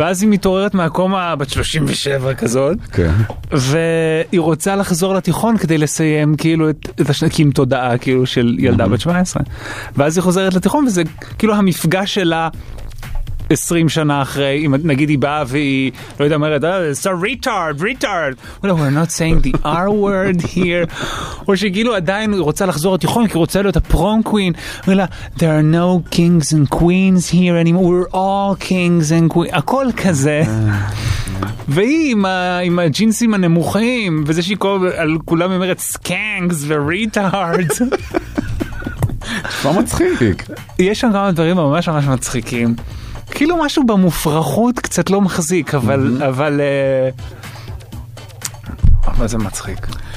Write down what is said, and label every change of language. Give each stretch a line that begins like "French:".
Hebrew: ואז היא מתעוררת מהקומה בת 37 כזאת, והיא רוצה לחזור לתיכון כדי לסיים כאילו את השנקים תודעה כאילו של ילדה בת 17. ואז היא חוזרת לתיכון, וזה כאילו המפגש שלה 20 שנה אחרי, אם נגיד היא באה והיא, לא יודע, אומרת,
English: it's a retard, retard. Well, we're not saying the R word here.
Hebrew: או שגילו עדיין היא רוצה לחזור לתיכון, כי היא רוצה להיות הפרום קווין.
English: אומרת, there are no kings and queens here anymore. We're all kings and queens.
Hebrew: הכל כזה. והיא עם הג'ינסים הנמוכים, וזה שהיא כל כולם אומרת, skanks ו-retards. מה מצחיק? יש שם כמה דברים ממש ממש מצחיקים. כאילו משהו במופרכות קצת לא מחזיק, אבל אבל זה מצחיק.